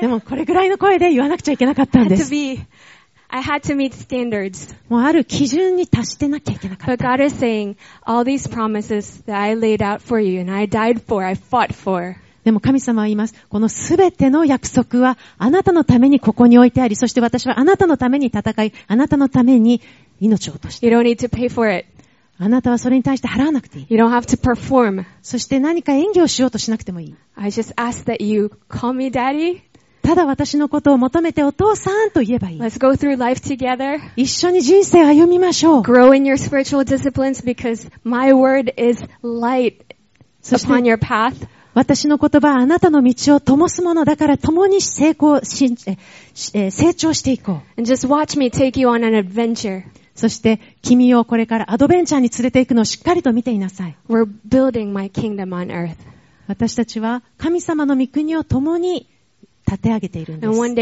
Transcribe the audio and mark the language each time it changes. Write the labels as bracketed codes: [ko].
[ja] でもこれぐらいの声で言わなくちゃいけなかったんです。 [en] I had to meet standards. [ja] もうある基準に達してなきゃいけなかった。 [en] But God is saying, all these promises that I laid out for you and I died for, I fought for. [ja] でも神様は言います。このすべての約束はあなたのためにここに置いてあり、そして私はあなたのために戦い、あなたのために命を落とした。 [en] You don't need to pay for it. [ja] あなたはそれに対して払わなくていい。 [en] You don't have to perform. [ja] そして何か演技をしようとしなくてもいい。 [en] I just ask that you call me daddy. [ja] ただ私のことを求めてお父さんと言えばいい。 [en] Let's go through life together. [ja] 一緒に人生を歩みましょう。 [en] Grow in your spiritual disciplines because my word is light upon your path. [ja] 私の言葉はあなたの道を灯すものだから共に成長していこう。 [en] And just watch me take you on an adventure. [ja] そして君をこれからアドベンチャーに連れていくのをしっかりと見ていなさい。 [en] We're building my kingdom on earth. [ja] 私たちは神様の御国を共に立て上げているんです。